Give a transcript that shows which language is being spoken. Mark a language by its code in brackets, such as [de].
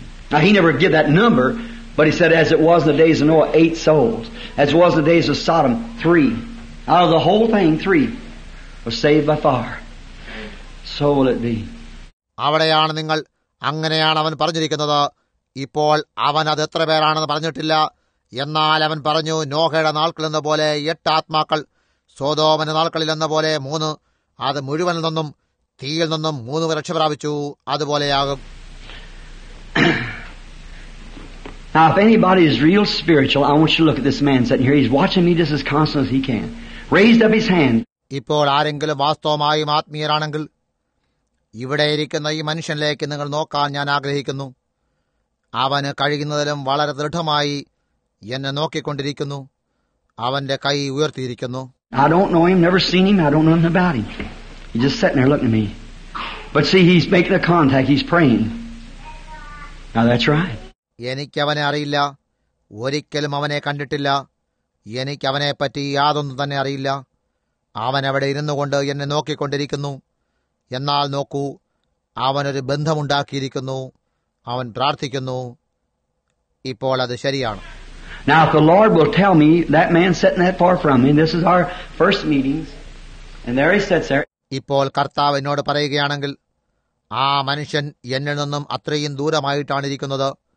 [en] Now he never gave that number, but he said as it was in the days of Noah, 8 souls. As it was in the days of Sodom, 3. Out of the whole thing, 3 was saved by fire. So will it be. [ml] അവിടെയാണ് നിങ്ങൾ അങ്ങനെയാണ് അവൻ പറഞ്ഞിരിക്കുന്നത്. ഇപ്പോൾ അവൻ അത് എത്ര പേരാണെന്ന് പറഞ്ഞിട്ടില്ല. എന്നാൽ അവൻ പറഞ്ഞു, നോഹയുടെ നാൾക്കളെന്ന പോലെ 8 ആത്മാക്കൾ, സോദോമന്റെ നാൾക്കളിലെന്ന പോലെ 3, അത് മുഴുവനിൽ നിന്നും തീയിൽ നിന്നും 3 രക്ഷപ്രാപിച്ചു, അതുപോലെയാകും. [en] Now if anybody is real spiritual, I want you to look at this man sitting here. He's watching me just as constant as he can. Raised up his hand. [ml] ഇപ്പോൾ ആരെങ്കിലും വാസ്തവമായും ആത്മീയരാണെങ്കിൽ ഇവിടെ ഇരിക്കുന്ന ഈ മനുഷ്യനിലേക്ക് നിങ്ങൾ നോക്കാൻ ഞാൻ ആഗ്രഹിക്കുന്നു. അവന് കഴിയുന്നതിലും വളരെ ദൃഢമായി എന്നെ നോക്കിക്കൊണ്ടിരിക്കുന്നു. അവന്റെ കൈ ഉയർത്തിയിരിക്കുന്നു. [en] I don't know him, never seen him, I don't know anything about him. He's just sitting there looking at me. But see, he's making a contact, he's praying. Now that's right. [ml] എനിക്ക് അവനെ അറിയില്ല. ഒരിക്കലും അവനെ കണ്ടിട്ടില്ല. എനിക്ക് അവനെ പറ്റി യാതൊന്നും തന്നെ അറിയില്ല. അവൻ അവിടെ ഇരുന്നു കൊണ്ട് എന്നെ നോക്കിക്കൊണ്ടിരിക്കുന്നു. എന്നാൽ നോക്കൂ, അവനൊരു ബന്ധമുണ്ടാക്കിയിരിക്കുന്നു. അവൻ പ്രാർത്ഥിക്കുന്നു. ഇപ്പോൾ അത് ശരിയാണ്. [en] Now if the Lord will tell me that man sitting that far from me, this is our first meetings, and there he sits there. [ml] ഇപ്പോൾ കർത്താവ് എന്നോട് പറയുകയാണെങ്കിൽ ആ മനുഷ്യൻ എന്നിൽ നിന്നും അത്രയും ദൂരമായിട്ടാണിരിക്കുന്നത്.